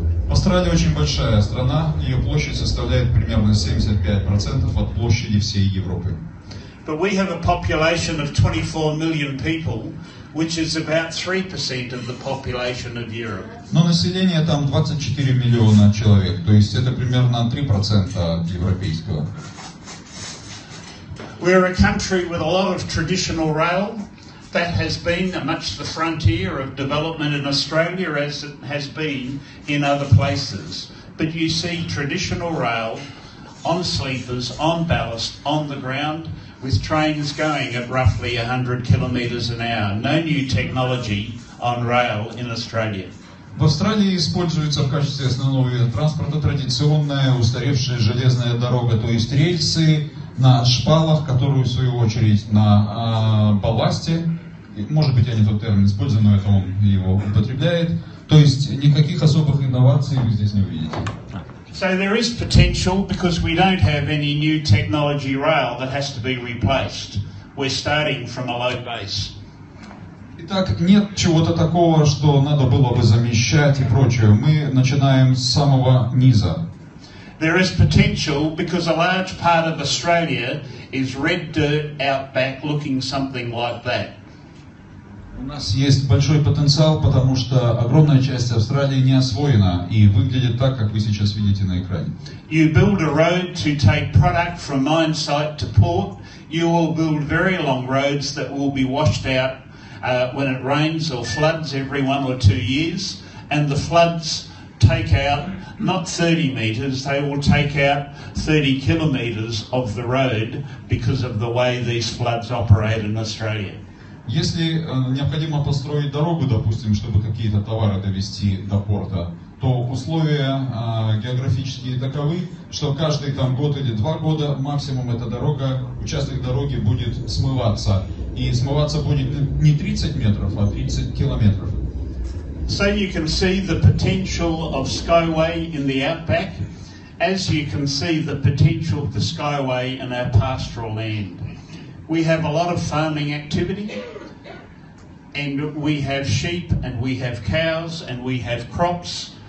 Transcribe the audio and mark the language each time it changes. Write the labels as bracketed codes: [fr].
[ru] Австралия очень большая страна. Ее площадь составляет примерно 75% от площади всей Европы. [en] But we have a population of 24 million people, which is about 3% of the population of Europe. [ru] Но население там 24 миллиона человек, то есть это примерно 3% европейского. [en] We are a country with a lot of traditional rail. That has been much the frontier of development in Australia, as it has been in other places. But you see traditional rail on sleepers, on ballast, on the ground, with trains going at roughly 100 kilometers an hour. No new technology on rail in Australia. [ru] В Австралии используется в качестве основного вида транспорта традиционная устаревшая железная дорога, то есть рельсы на шпалах, которые в свою очередь на балласте. Может быть, я не тот термин использую, но это он его употребляет. То есть никаких особых инноваций вы здесь не увидите. [en] So there is potential because we don't have any new technology rail that has to be replaced. We're starting from a low base. [ru] Итак, нет чего-то такого, что надо было бы замещать и прочее. Мы начинаем с самого низа. [en] There is potential because a large part of Australia is red dirt outback looking something like that. [ru] У нас есть большой потенциал, потому что огромная часть Австралии не освоена и выглядит так, как вы сейчас видите на экране. [en] You build a road to take product from mine site to port. You will build very long roads that will be washed out when it rains or floods every 1 or 2 years. And the floods take out not 30 meters, they will take out 30 kilometers of the road because of the way these floods operate in Australia. [ru] Если необходимо построить дорогу, допустим, чтобы какие-то товары довести до порта, то условия географические таковы, что каждый там год или 2 года максимум эта дорога, участок дороги будет смываться. И смываться будет не 30 метров, а 30 километров. [en] So you can see the potential of SkyWay in the outback, as you can see the potential of the SkyWay in our pastoral land. We have a lot of farming activity. And we have sheep, and we have cows, and we have crops.